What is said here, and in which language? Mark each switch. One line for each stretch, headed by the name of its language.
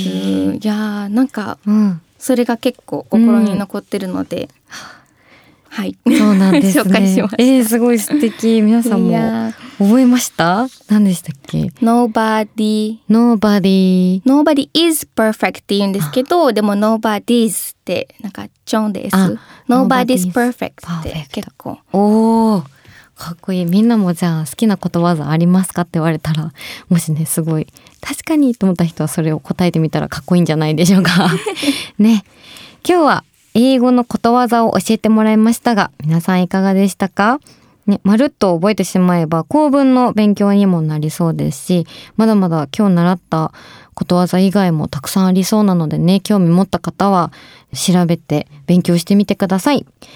Japanese: いやー、なんか、うん、それが結構心に残ってるので、はい、そうなんですね。紹介しました。すごい素敵。皆さんも覚えました？何でしたっけ？
English: Nobody is perfect
Japanese: って言うんですけど、でも
English: nobody is
Japanese: ってなんかちょんです。
English: Nobody is perfect
Japanese: って結構。おお、かっこいい。みんなもじゃあ好きなことわざありますかって言われたら、もしね、すごい確かにと思った人はそれを答えてみたらかっこいいんじゃないでしょうか。ね、今日は英語のことわざを教えてもらいましたが、皆さんいかがでしたか？ね、まるっと覚えてしまえば構文の勉強にもなりそうですし、まだまだ今日習ったことわざ以外もたくさんありそうなのでね、興味持った方は調べて勉強してみてください。